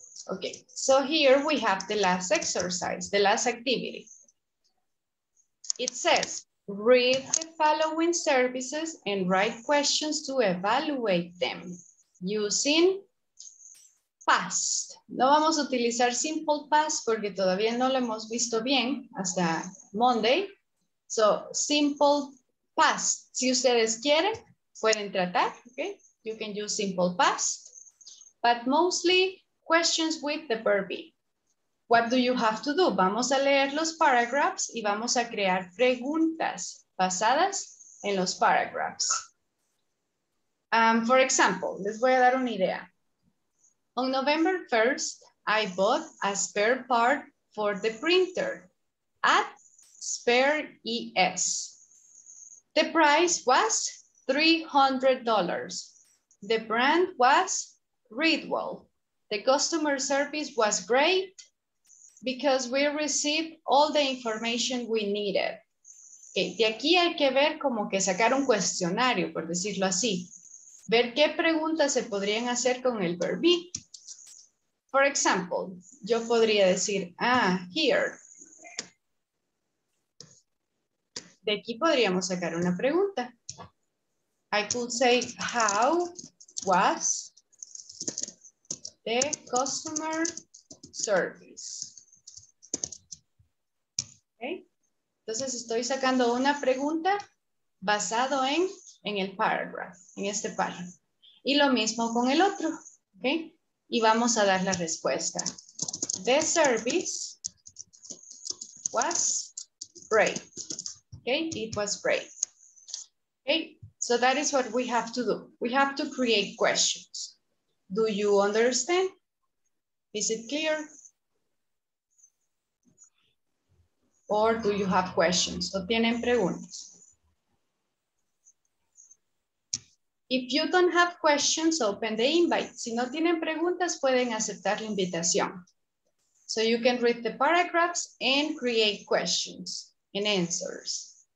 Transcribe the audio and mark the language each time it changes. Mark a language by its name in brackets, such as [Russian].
[English] Okay, so here we have the last exercise, the last activity. It says, read the following services and write questions to evaluate them using past. [Spanish] No vamos a utilizar simple past porque todavía no lo hemos visto bien hasta Monday. [English] So, simple past. [Spanish] Si ustedes quieren, pueden tratar. Okay? [English] You can use simple past. But mostly questions with the verb be. What do you have to do? [Spanish] Vamos a leer los paragraphs y vamos a crear preguntas basadas en los paragraphs. [English] For example, [Spanish] les voy a dar una idea. [English] On November 1st, I bought a spare part for the printer at Spare ES. The price was $300. The brand was Readwell. The customer service was great because we received all the information we needed. [Spanish] Okay, de aquí hay que ver como que sacar un cuestionario, por decirlo así. Ver qué preguntas se podrían hacer con el verb be. [English] For example, [Spanish] yo podría decir, here. De aquí podríamos sacar una pregunta. [English] I could say, how was the customer service? Okay. [Spanish] Entonces estoy sacando una pregunta basado en el paragraph, en este párrafo. Y lo mismo con el otro. Okay. Y vamos a dar la respuesta. [English] The service was great. Okay, it was great. Okay, so that is what we have to do. We have to create questions. Do you understand? Is it clear? Or do you have questions? [Spanish] ¿O tienen preguntas? [English] If you don't have questions, open the invite. [Spanish] Si no tienen preguntas, pueden aceptar la invitación. [English] So you can read the paragraphs and create questions and answers.